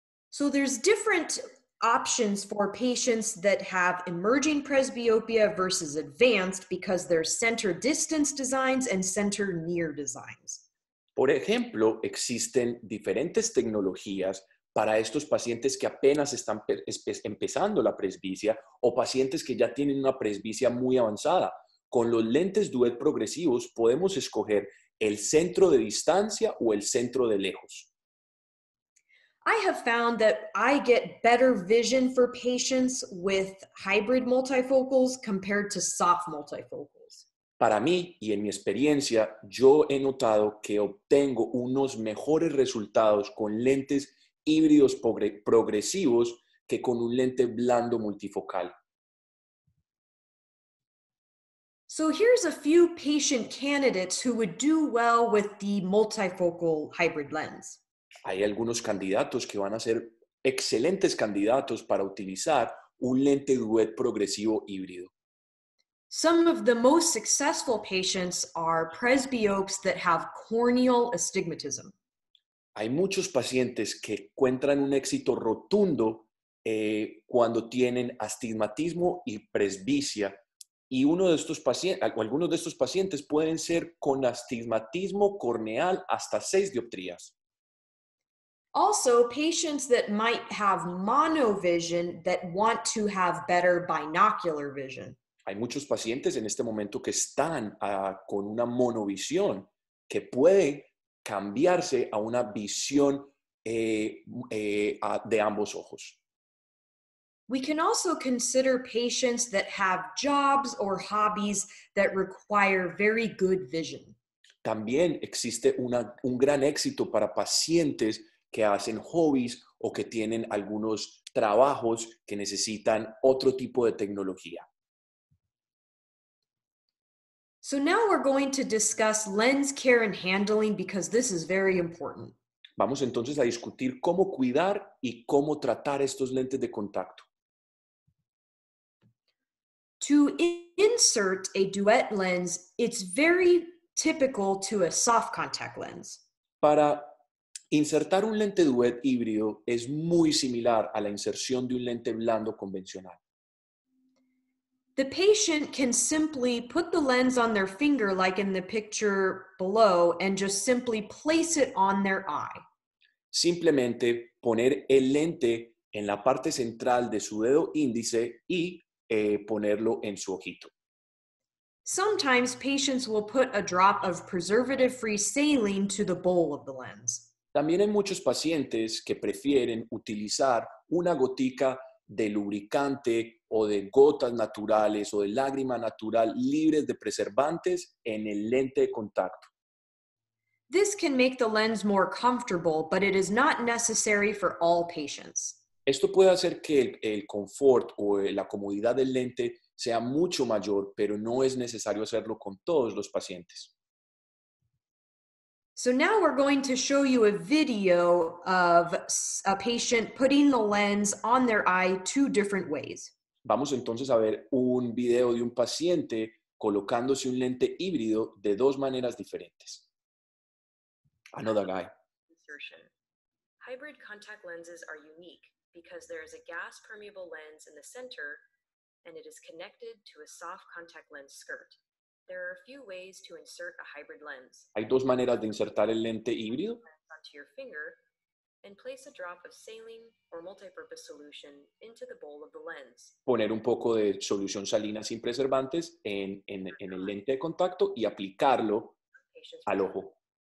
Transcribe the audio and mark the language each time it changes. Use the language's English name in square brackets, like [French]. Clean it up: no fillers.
[English] So there's different options for patients that have emerging presbyopia versus advanced because there's center distance designs and center near designs. [Spanish] Por ejemplo, existen diferentes tecnologías para estos pacientes que apenas están empezando la presbicia o pacientes que ya tienen una presbicia muy avanzada. Con los lentes Duet progresivos podemos escoger el centro de distancia o el centro de lejos. [English] I have found that I get better vision for patients with hybrid multifocals compared to soft multifocals. [Spanish] Para mí y en mi experiencia, yo he notado que obtengo unos mejores resultados con lentes híbridos progresivos que con un lente blando multifocal. [English] So here's a few patient candidates who would do well with the multifocal hybrid lens. [Spanish] Hay algunos candidatos que van a ser excelentes candidatos para utilizar un lente duet progresivo híbrido. [English] Some of the most successful patients are presbyopes that have corneal astigmatism. [Spanish] Hay muchos pacientes que encuentran un éxito rotundo cuando tienen astigmatismo y presbicia. Y uno de estos pacientes, algunos de estos pacientes pueden ser con astigmatismo corneal hasta 6 dioptrías. [English] Also, patients that might have monovision that want to have better binocular vision. [Spanish] Hay muchos pacientes en este momento que están con una monovisión que puede cambiarse a una visión de ambos ojos. [English] We can also consider patients that have jobs or hobbies that require very good vision. [Spanish] También existe un gran éxito para pacientes que hacen hobbies o que tienen algunos trabajos que necesitan otro tipo de tecnología. [English] So now we're going to discuss lens care and handling because this is very important. [Spanish] Vamos entonces a discutir cómo cuidar y cómo tratar estos lentes de contacto. [English] To insert a duet lens, it's very typical to a soft contact lens. [Spanish] Para insertar un lente duet híbrido es muy similar a la inserción de un lente blando convencional. [English] The patient can simply put the lens on their finger like in the picture below and just simply place it on their eye. [Spanish] Simplemente poner el lente en la parte central de su dedo índice y ponerlo en su ojito. [English] Sometimes patients will put a drop of preservative-free saline to the bowl of the lens. [Spanish] También hay muchos pacientes que prefieren utilizar una gotica de lubricante o de gotas naturales o de lágrima natural libres de preservantes en el lente de contacto. [English] This can make the lens more comfortable, but it is not necessary for all patients. [Spanish] Esto puede hacer que el confort o la comodidad del lente sea mucho mayor, pero no es necesario hacerlo con todos los pacientes. [English] So now we're going to show you a video of a patient putting the lens on their eye two different ways. [Spanish] Vamos entonces a ver un video de un paciente colocándose un lente híbrido de dos maneras diferentes. [English] Another guy. Insertion. Hybrid contact lenses are unique because there is a gas permeable lens in the center and it is connected to a soft contact lens skirt. There are a few ways to insert a hybrid lens. [Spanish] Hay dos maneras de insertar el lente híbrido. [English] Onto your finger and place a drop of saline or multipurpose solution into the bowl of the lens. [Spanish] Poner un poco de solución salina sin preservantes en el lente de contacto y aplicarlo al ojo.